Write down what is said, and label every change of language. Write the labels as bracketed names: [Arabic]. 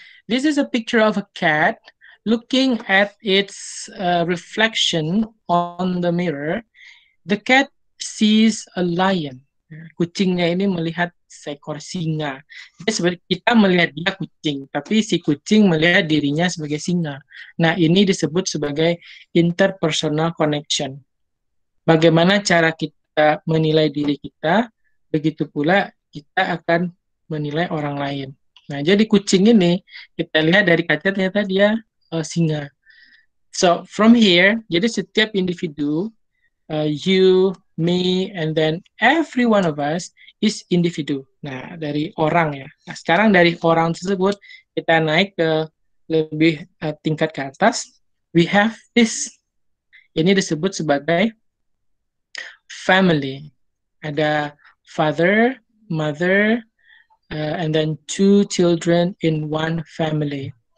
[English] This is a picture of a cat looking at its reflection on the mirror. The cat sees a lion. [Indonesian] Kucingnya ini melihat seekor singa. Jadi sebenarnya kita melihat dia kucing, tapi si kucing melihat dirinya sebagai singa. Nah, ini disebut sebagai interpersonal connection. Bagaimana cara kita menilai diri kita, begitu pula kita akan menilai orang lain. Nah, jadi kucing ini kita lihat dari kaca ternyata dia singa. [English] So from here, [Indonesian] jadi setiap individu, [English] you, me, and then every one of us is individu. [Indonesian] Nah, dari orang ya. Nah, sekarang dari orang tersebut kita naik ke lebih tingkat ke atas. [English] We have this. [Indonesian] Ini disebut sebagai family. [English] Ada father, mother, and then two children in one family.